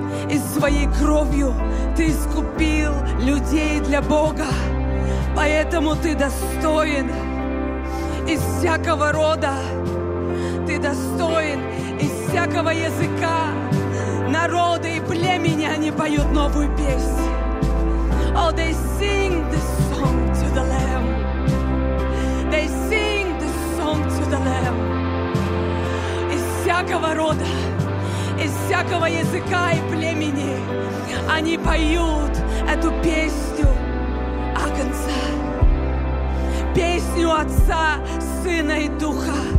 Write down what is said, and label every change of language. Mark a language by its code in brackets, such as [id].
[ru] И своей кровью ты искупил людей для Бога. Поэтому ты достоин из всякого рода. Ты достоин из всякого языка. Народы и племени, они поют новую песню. [en] Oh, they sing this song to the Lamb. They sing this song to the Lamb. [ru] Из всякого рода, из всякого языка и племени они поют эту песню Агнца, песню Отца, Сына и Духа.